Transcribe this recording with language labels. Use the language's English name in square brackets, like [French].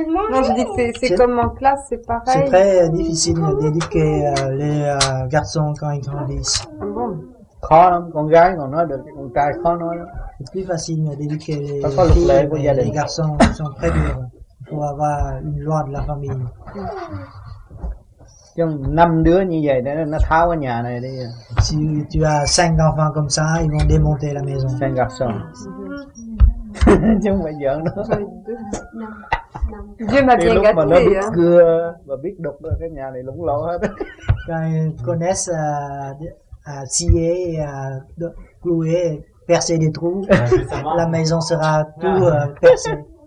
[French] Non, je dis que c'est comme en classe, c'est pareil. C'est très difficile d'éduquer les garçons quand ils grandissent. [Vietnamese] Khó lắm, con gái còn nói được, con trai khó nói lắm. [French] C'est plus facile d'éduquer les filles, les garçons sont très durs. Il faut avoir une loi de la famille. [Vietnamese] Chứ năm đứa như vậy để nó tháo cái nhà này đi. [French] Si tu as 5 enfants comme ça, ils vont démonter la maison. 5 garçons. [Vietnamese] Chứ không phải giỡn nữa. [French] Dieu m'a bien gâté. [Vietnamese] Mà nó biết cưa và biết đục rồi cái nhà này lủng lộ hết. [French] Quand ils connaissent à scier et à clouer, percer des trous, la maison sera tout percée.